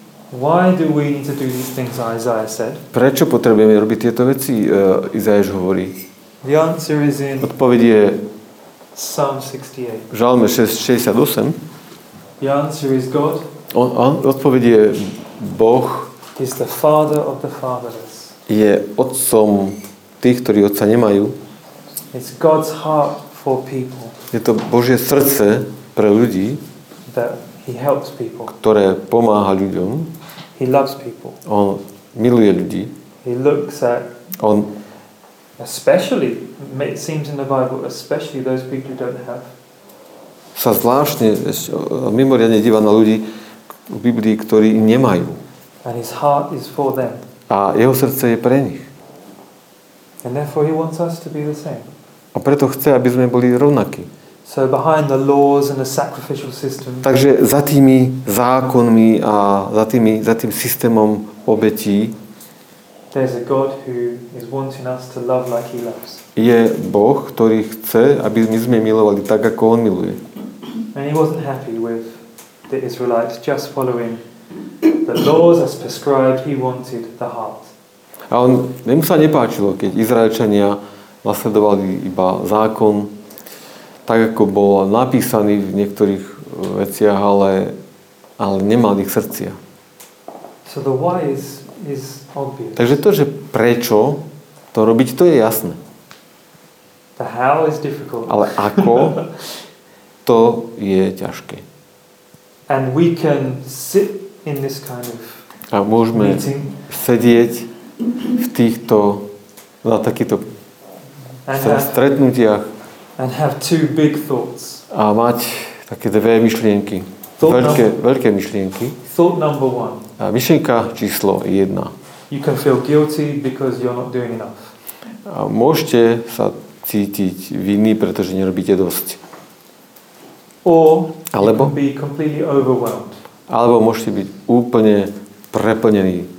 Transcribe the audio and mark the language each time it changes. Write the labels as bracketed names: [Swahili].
[English] Why do we need to do these things, Isaiah said? [Slovak] Prečo potrebujeme robiť tieto veci, Izaiáš hovorí. [English] The answer is in [Slovak] odpoveď je [English] Psalm 68. [Slovak] Žalme 68. [English] The answer is God. [Slovak] Odpoveď je Boh. [English] He's the father of the fatherless. [Slovak] Je otcom tých, ktorí otca nemajú. [English] It's God's heart for people. [Slovak] Je to Božie srdce pre ľudí. [English] He helps people. [Slovak] Ktoré pomáha ľuďom. [English] He loves people. [Slovak] On miluje ľudí. [English] He looks at [Slovak] on [English] especially it seems in the Bible especially those people who don't have. [Slovak] Sa zvláštne mimoriadne díva na ľudí v Biblii, ktorí nemajú. [English] And his heart is for them. [Slovak] A jeho srdce je pre nich. [English] And therefore he wants us to be the same. [Slovak] A preto chce, aby sme boli rovnakí. [English] So behind the laws and the sacrificial system. [Slovak] Takže za tými zákonmi a za tým systémom obetí. [English] There's a God who is wanting us to love like he loves. [Slovak] Je Boh, ktorý chce, aby my sme milovali tak, ako on miluje. [English] And he wasn't happy with the Israelites just following the laws as prescribed. He wanted the heart. [Slovak] A on nemu sa nepáčilo, keď Izraelčania nasledovali iba zákon. Tak ako bol napísaný v niektorých veciach, ale nemal ich srdcia. [English] So the why is obvious. [Slovak] Takže to, že prečo to robiť, to je jasné. [English] The how is difficult. [Slovak] Ale ako, to je ťažké. [English] And we can sit in this kind of [Slovak] a môžeme [English] meeting. [Slovak] Sedieť v týchto, na takýchto stretnutiach. [English] And have two big thoughts. [Slovak] A mať také dve myšlienky. Veľké myšlienky. [English] Thought number one. [Slovak] A myšlienka číslo jedna. [English] You can feel guilty because you're not doing enough. [Slovak] A môžete sa cítiť vinný, pretože nerobíte dosť. Alebo [English] be completely overwhelmed. [Slovak] Alebo môžete byť úplne preplnený.